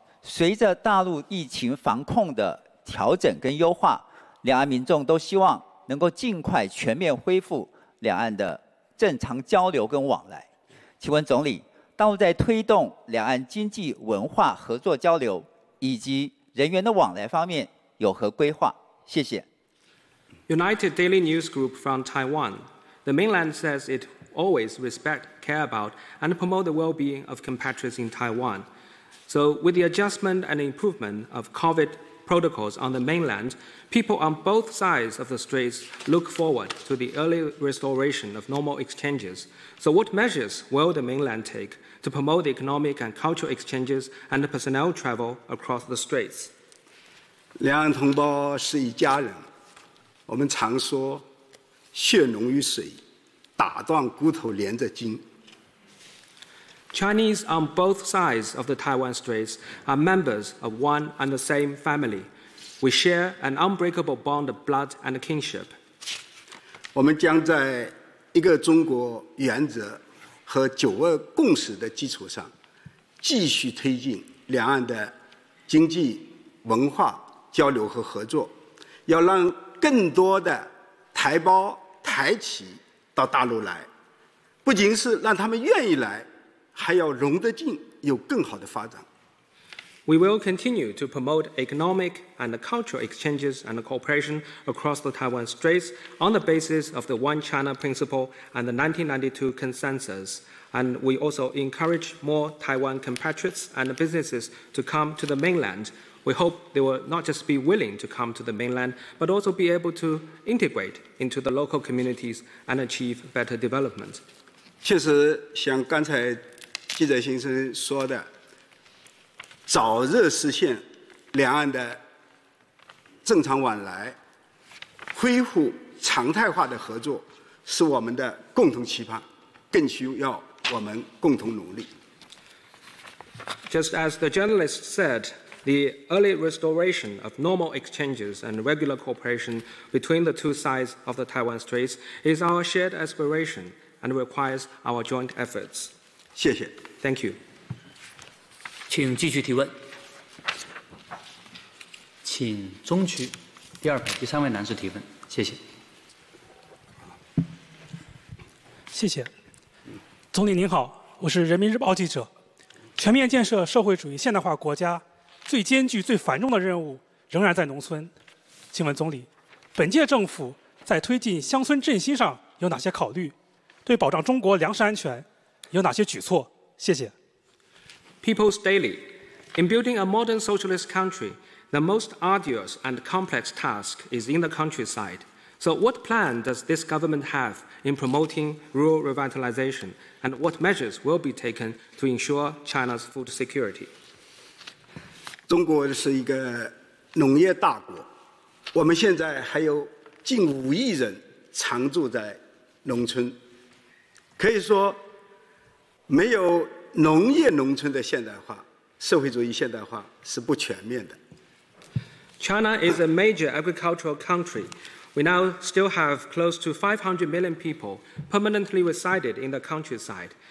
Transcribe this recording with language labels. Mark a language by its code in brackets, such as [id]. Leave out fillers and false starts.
[zh] 随着大陆疫情防控的调整跟优化，两岸民众都希望能够尽快全面恢复两岸的正常交流跟往来。请问总理，大陆在推动两岸经济文化合作交流以及人员的往来方面有何规划？谢谢。 [en] United Daily News Group from Taiwan. The mainland says it always respect, care about, and promote the well-being of compatriots in Taiwan. So with the adjustment and improvement of COVID protocols on the mainland, people on both sides of the straits look forward to the early restoration of normal exchanges. So what measures will the mainland take to promote the economic and cultural exchanges and the personnel travel across the straits? [zh] 两岸同胞是一家人，我们常说血浓于水，打断骨头连着筋。 [en] Chinese on both sides of the Taiwan Straits are members of one and the same family. We share an unbreakable bond of blood and kinship. [zh] 我们将在一个中国原则和九二共识的基础上，继续推进两岸的经济文化交流和合作，要让更多的台胞台企到大陆来，不仅是让他们愿意来，还要融得进，有更好的发展。 [en] We will continue to promote economic and cultural exchanges and cooperation across the Taiwan Straits on the basis of the One China Principle and the 1992 Consensus. And we also encourage more Taiwan compatriots and businesses to come to the mainland. We hope they will not just be willing to come to the mainland, but also be able to integrate into the local communities and achieve better development. [zh] 确实，像刚才记者先生说的，早日实现两岸的正常往来，恢复常态化的合作，是我们的共同期盼，更需要我们共同努力。 [en] Just as the journalist said, the early restoration of normal exchanges and regular cooperation between the two sides of the Taiwan Straits is our shared aspiration and requires our joint efforts. [zh] 谢谢。 [en] Thank you. [zh] 请继续提问，请中区第二排第三位男士提问，谢谢。谢谢，总理您好，我是人民日报记者。全面建设社会主义现代化国家，最艰巨、最繁重的任务仍然在农村。请问总理，本届政府在推进乡村振兴上有哪些考虑？对保障中国粮食安全有哪些举措？谢谢。 [en] People's Daily. In building a modern socialist country, the most arduous and complex task is in the countryside. So what plan does this government have in promoting rural revitalization, and what measures will be taken to ensure China's food security? [zh] 中国是一个农业大国，我们现在还有近五亿人常住在农村，可以说没有农业农村的现代化，社会主义现代化是不全面的。 [en] China is a major agricultural country. We now still have close to 500 million people permanently resided in the countryside.